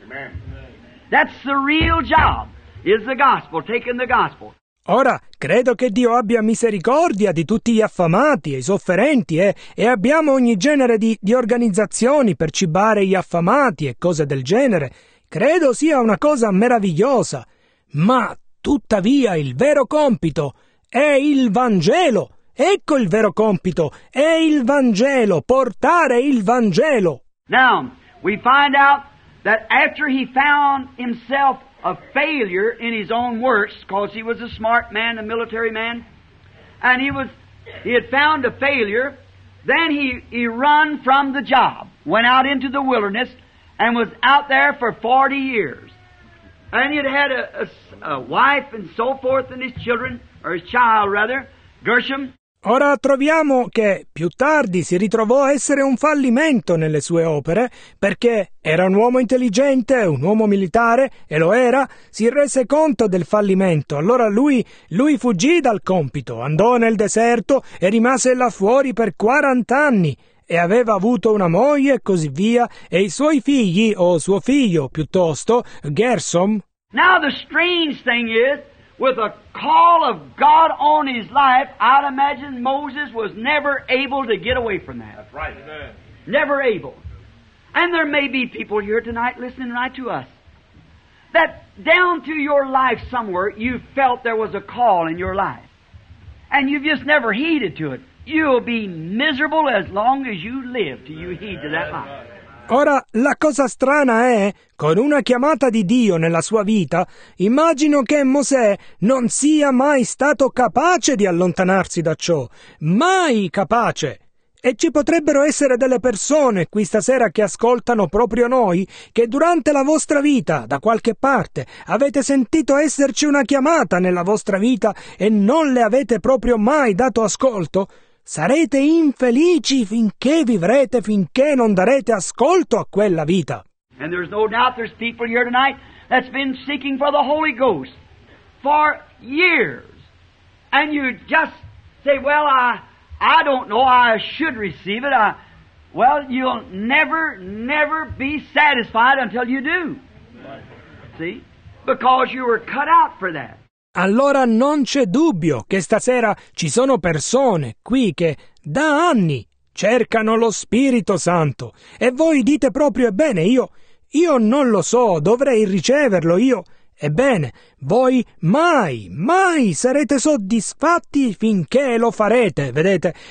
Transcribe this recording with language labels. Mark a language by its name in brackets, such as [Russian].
[English] Amen. That's the real job. Is the gospel, taking the gospel. [Italian] Ora, credo che Dio abbia misericordia di tutti gli affamati e i sofferenti e abbiamo ogni genere di organizzazioni per cibare gli affamati e cose del genere. Credo sia una cosa meravigliosa. Ma, tuttavia, il vero compito è il Vangelo. Ecco il vero compito. È il Vangelo. Portare il Vangelo. [English] Now, we find out that after he found himself a failure in his own works, because he was a smart man, a military man, and he had found a failure, then he run from the job, went out into the wilderness, and was out there for 40 years. And he had a wife and so forth, and his children, or his child rather, Gershom. [Italian] Ora troviamo che più tardi si ritrovò essere un fallimento nelle sue opere, perché era un uomo intelligente, un uomo militare, e lo era, si rese conto del fallimento. Allora lui fuggì dal compito, andò nel deserto e rimase là fuori per 40 anni, e aveva avuto una moglie e così via, e i suoi figli, o suo figlio piuttosto, Gershom. [English] Now the strange thing is, with a call of God on his life, I'd imagine Moses was never able to get away from that. That's right. Amen. Never able. And there may be people here tonight listening right to us, that down through your life somewhere, you felt there was a call in your life. And you've just never heeded to it. You'll be miserable as long as you live till you heed to that life. [Italian] Ora, la cosa strana è, con una chiamata di Dio nella sua vita, immagino che Mosè non sia mai stato capace di allontanarsi da ciò. Mai capace! E ci potrebbero essere delle persone qui stasera che ascoltano proprio noi, che durante la vostra vita, da qualche parte, avete sentito esserci una chiamata nella vostra vita e non le avete proprio mai dato ascolto? Sarete infelici finché vivrete, finché non darete ascolto a quella vita. [English] And there's no doubt there's people here tonight that's been seeking for the Holy Ghost for years. And you just say, well, I don't know, I should receive it. Well, you'll never, never be satisfied until you do. See? Because you were cut out for that. [Italian] Allora non c'è dubbio che stasera ci sono persone qui che da anni cercano lo Spirito Santo e voi dite proprio ebbene io non lo so, dovrei riceverlo io. Ebbene, voi mai sarete soddisfatti finché lo farete, vedete?